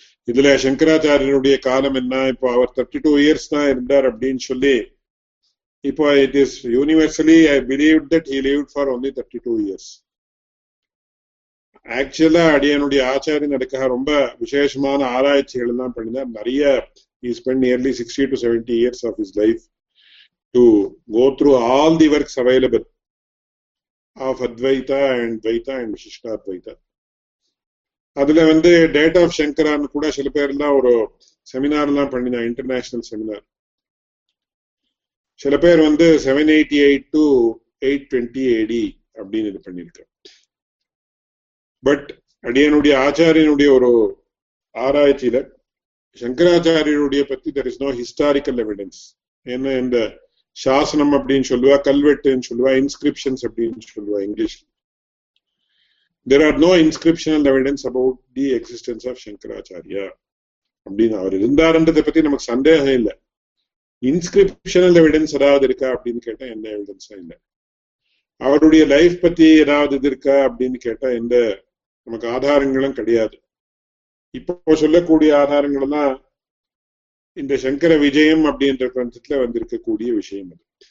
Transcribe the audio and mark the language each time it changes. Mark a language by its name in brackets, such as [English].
[Tamil] இதுல சங்கராச்சாரியருடைய காலம் என்ன, இப்போ அவர் 32 இயர்ஸ் தான் இருந்தார் அப்படின்னு சொல்லி, இப்போ [English] It is universally I believe that he lived for only 32 years. [Tamil] ஆக்சுவலா அடியனுடைய ஆச்சாரியன் அதுக்காக ரொம்ப விசேஷமான ஆராய்ச்சிகள் எல்லாம் பண்ணினார். நிறைய [English] He spent nearly 60 to 70 years of his life to go through all the works available of Advaita and Dvaita and Vishishta Advaita. [Tamil] அதுல வந்து டேட் ஆஃப் சங்கரான்னு கூட சில பேர் எல்லாம் ஒரு செமினார் எல்லாம் பண்ணினா, இன்டர்நேஷனல் செமினார். சில பேர் வந்து 788 to 820 AD அப்படின்னு இது பண்ணிருக்க. பட் அடியனுடைய ஆச்சாரியனுடைய ஒரு ஆராய்ச்சியில சங்கராச்சாரியனுடைய பத்தி [English] There is no historical evidence. [Tamil] என்ன இந்த சாசனம் அப்படின்னு சொல்லுவா, கல்வெட்டுன்னு சொல்லுவா, இன்ஸ்கிரிப்ஷன்ஸ் அப்படின்னு சொல்லுவா English. [English] There are no inscriptional evidence about the existence of Shankaracharya. [Tamil] அப்படின்னு அவர் இருந்தாருன்றதை பத்தி நமக்கு சந்தேகம் இல்லை. இன்ஸ்கிரிப்ஷனல் எவிடன்ஸ் ஏதாவது இருக்கா அப்படின்னு கேட்டா எந்த எவிடன்ஸும் இல்லை. அவருடைய லைஃப் பத்தி ஏதாவது இது இருக்கா அப்படின்னு கேட்டா எந்த நமக்கு ஆதாரங்களும் கிடையாது. இப்போ சொல்லக்கூடிய ஆதாரங்கள் எல்லாம் இந்த சங்கர விஜயம் அப்படின்ற பிரபஞ்சத்துல வந்திருக்கக்கூடிய விஷயம் அது.